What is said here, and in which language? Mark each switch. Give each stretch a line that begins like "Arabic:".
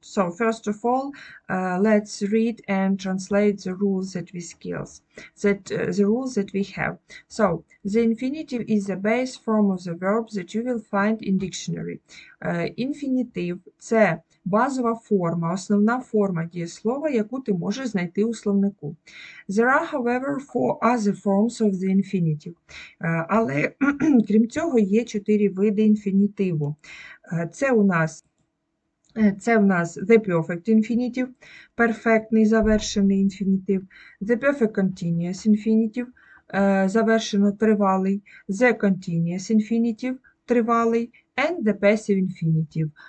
English: So, first of all, let's read and translate the rules that we skills, that the rules that we have. So, the infinitive is the base form of the verb that you will find in dictionary.
Ukrainian: Infinitive – це базова форма, основна форма дієслова, яку ти можеш знайти у словнику.
English: There are, however, four other forms of the infinitive.
Ukrainian: Але, крім цього, є чотири види інфінітиву. Це у нас the perfect infinitive, перфектний завершений infinitive, the perfect continuous infinitive, завершено тривалий, the continuous infinitive, тривалий, and the passive infinitive.